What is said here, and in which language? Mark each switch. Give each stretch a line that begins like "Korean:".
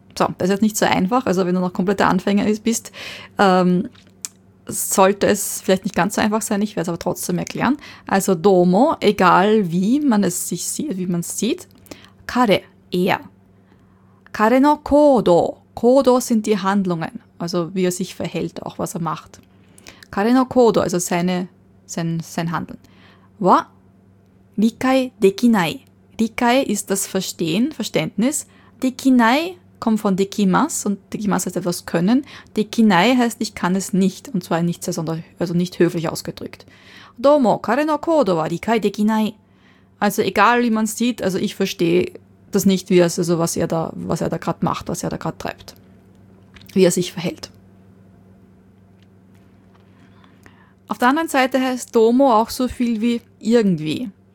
German: So, das ist jetzt nicht so einfach. Also wenn du noch kompletter Anfänger bist, sollte es vielleicht nicht ganz so einfach sein. Ich werde es aber trotzdem erklären. Also domo, egal wie man es sich sieht, wie man es sieht. Kare, er.
Japanese: Kare no kodo.
German: Kodo sind die Handlungen. Also wie er sich verhält, auch was er macht.
Japanese: 彼の行動、
German: also seine, sein Handeln,
Japanese: は理解できない。
German: 理解 ist das Verstehen, Verständnis. できない kommt von できます und できます heißt etwas können. できない heißt ich kann es nicht und zwar nicht sehr sonder, also nicht höflich ausgedrückt.
Japanese: どうも、彼の行動は理解できない。
German: Also egal wie man sieht, also ich verstehe das nicht, wie er, also was er da gerade macht, was er da gerade treibt, wie er sich verhält. Auf der anderen Seite heißt Domo auch so viel wie irgendwie.